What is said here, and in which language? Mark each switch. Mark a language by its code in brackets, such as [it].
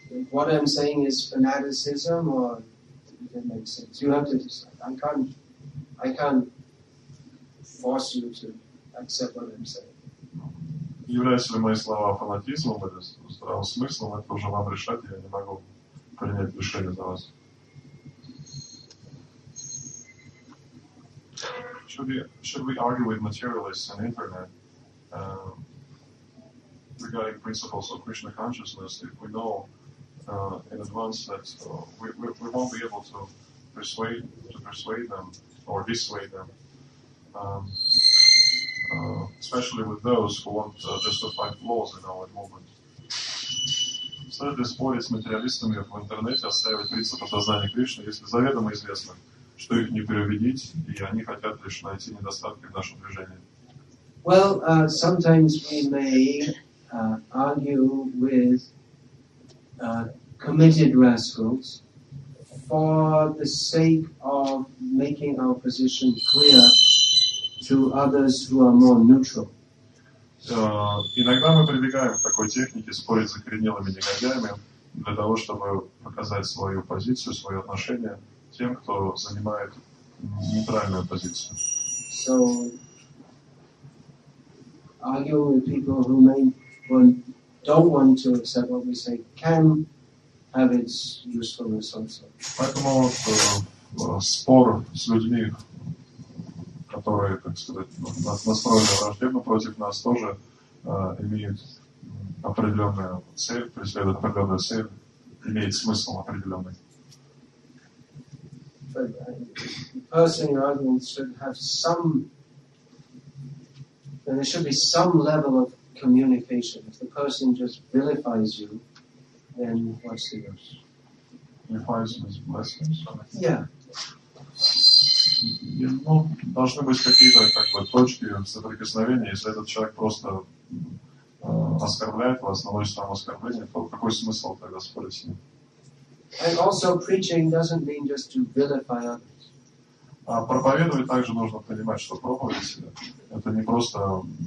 [en] What I'm saying is fanaticism, or it makes sense. You have to decide. I can't force you to accept what I'm saying. [ru] Являются ли мои слова фанатизмом или здравым смыслом? Это уже вам решать. Я не могу принять решение за вас. [en] Should we argue with materialists on the internet? Regarding principles of Krishna consciousness, if we know in advance that we won't be able to persuade them or dissuade them, especially with those who want just to find flaws in our movement. So this [ru] spорить с материалистами в интернете, оставить принципы сознания Кришны, если заведомо известно, что их не переубедить, и они хотят лишь найти недостатки в нашем движении. [en] Well, sometimes we may argue with committed rascals for the sake of making our position clear to others who are more neutral. [ru] Иногда мы прибегаем к такой технике спорить с закоренелыми негодяями для того, чтобы показать свою позицию, свое отношение тем, кто занимает нейтральную позицию. [en] So, argue with people who may when don't want to accept what we say can have its usefulness also. [ru] Поэтому спор с людьми, которые, так сказать, настроены враждебно против нас, тоже имеют определенную цель, преследуют определенную цель, имеет смысл определенный. [en] Personally, your argument should have some, and there should be some level of communication. If the person just vilifies you, then what's the use? Vilifies his blessings? Yeah. [ru] Ну, должны быть какие-то как бы точки соприкосновения. Если этот человек просто оскорбляет вас, наносит вам оскорбление, то какой смысл тогда спорить с ним? [en] And also, preaching doesn't mean just to vilify others. [ru] А проповедовать также нужно понимать, что проповедь — это не просто